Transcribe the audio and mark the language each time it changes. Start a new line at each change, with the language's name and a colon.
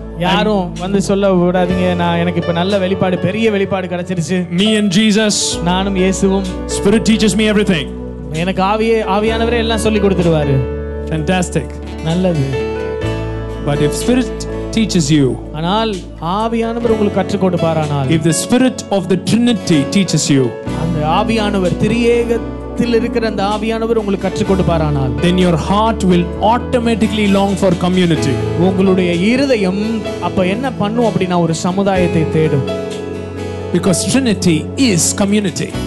Tamil: யாரும் வந்து சொல்ல விடாதீங்க, நான் எனக்கு இப்ப நல்ல வெளிப்பாடு, பெரிய வெளிப்பாடு கிடைச்சிருச்சு.
English: me and Jesus,
Tamil: நானும் இயேசுவும்.
English: Spirit teachers me everything.
Tamil: எனக்கு ஆவியானவரே எல்லாம் சொல்லி கொடுத்துடுவாரு.
English: Fantastic.
Tamil: நல்லது.
English: But if spirit teaches you,
Tamil: ஆனால் ஆவியானவர் உங்களுக்கு கற்று கொடுப்பாரானால்,
English: if the spirit of the trinity teaches you,
Tamil: அந்த ஆவியானவர், திரியேகத்தில் இருக்கிற அந்த ஆவியானவர் உங்களுக்கு கற்று கொடுப்பாரானால்,
English: then your heart will automatically long for community.
Tamil: உங்களுடைய இருதயம் அப்ப என்ன பண்ணும் அப்படினா, ஒரு சமுதாயத்தை தேடும்.
English: Because trinity is community.